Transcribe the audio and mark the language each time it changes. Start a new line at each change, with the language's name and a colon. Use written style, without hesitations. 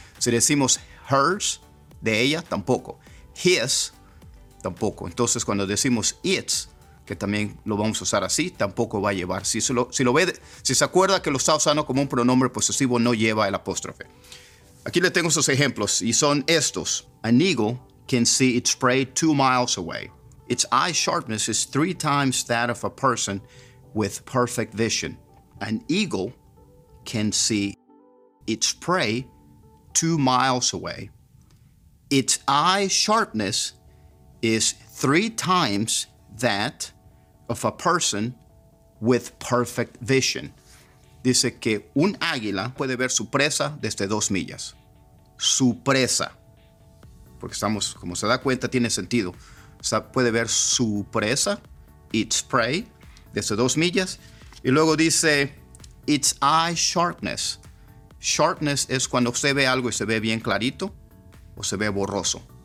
Spanish: Si decimos hers, de ella, tampoco. His, tampoco. Entonces, cuando decimos its, que también lo vamos a usar así, tampoco va a llevar. Si se acuerda que lo está usando como un pronombre posesivo, no lleva el apóstrofe. Aquí le tengo esos ejemplos y son estos.
English: An eagle can see its prey 2 miles away. Its eye sharpness is 3 times that of a person with perfect vision. An eagle can see its prey 2 miles away. Its eye sharpness is 3 times that of a person with perfect vision.
Spanish: Dice que un águila puede ver su presa desde 2 millas. Su presa. Porque estamos, como se da cuenta, tiene sentido. O sea, puede ver su presa,
English: its prey,
Spanish: desde 2 millas. Y luego dice,
English: its eye sharpness.
Spanish: Sharpness es cuando usted ve algo y se ve bien clarito o se ve borroso.